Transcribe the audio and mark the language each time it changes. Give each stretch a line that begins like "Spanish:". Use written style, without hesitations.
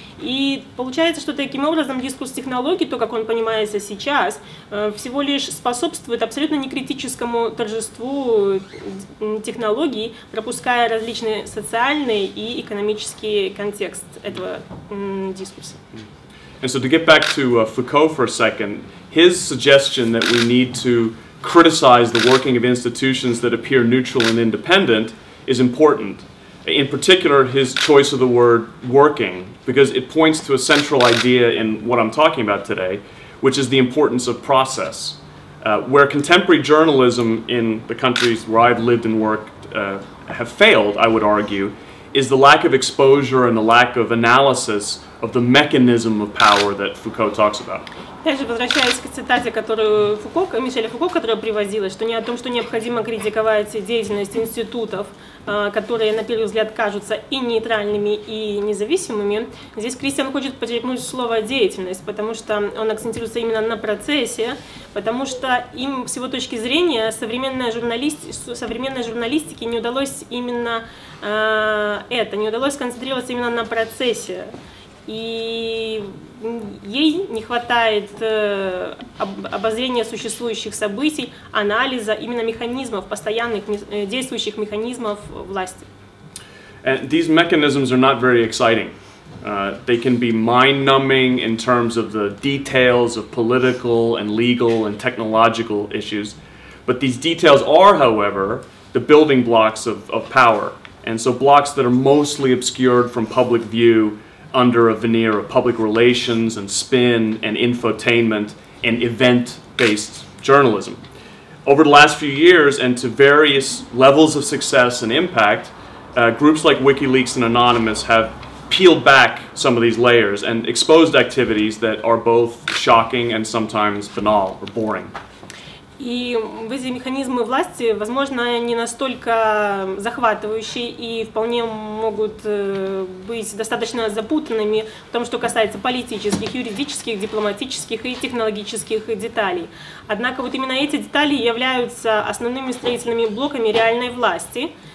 Russian: И получается, что таким образом дискурс технологий, то, как он понимается сейчас, всего лишь способствует абсолютно некритическому торжеству технологий, пропуская различные социальные и экономические контекст этого дискурса.
English: And so to get back to Foucault for a second, his suggestion that we need to criticize the working of institutions that appear neutral and independent is important. In particular, his choice of the word working, because it points to a central idea in what I'm talking about today, which is the importance of process. Where contemporary journalism in the countries where I've lived and worked have failed, I would argue, is the lack of exposure and the lack of analysis of the mechanism of power that Foucault talks about.
Russian: Опять же, возвращаясь к цитате, которую Мишеля Фуко, которая приводила, что не о том, что необходимо критиковать деятельность институтов, которые, на первый взгляд, кажутся и нейтральными, и независимыми. Здесь Кристиан хочет подчеркнуть слово «деятельность», потому что он акцентируется именно на процессе, потому что им, с его точки зрения, современной журналистике не удалось именно это, не удалось концентрироваться именно на процессе. И ей не хватает обозрения существующих событий, анализа именно механизмов, постоянных действующих механизмов власти.
English: And these mechanisms are not very exciting. They can be mind-numbing in terms of the details of political and legal and technological issues. But these details are, however, the building blocks of power. And so blocks that are mostly obscured from public view under a veneer of public relations and spin and infotainment and event-based journalism. Over the last few years and to various levels of success and impact, groups like WikiLeaks and Anonymous have peeled back some of these layers and exposed activities that are both shocking and sometimes banal or boring.
Russian: И эти механизмы власти, возможно, не настолько захватывающие и вполне могут быть достаточно запутанными в том, что касается политических, юридических, дипломатических и технологических деталей. Однако вот именно эти детали являются основными строительными блоками реальной власти.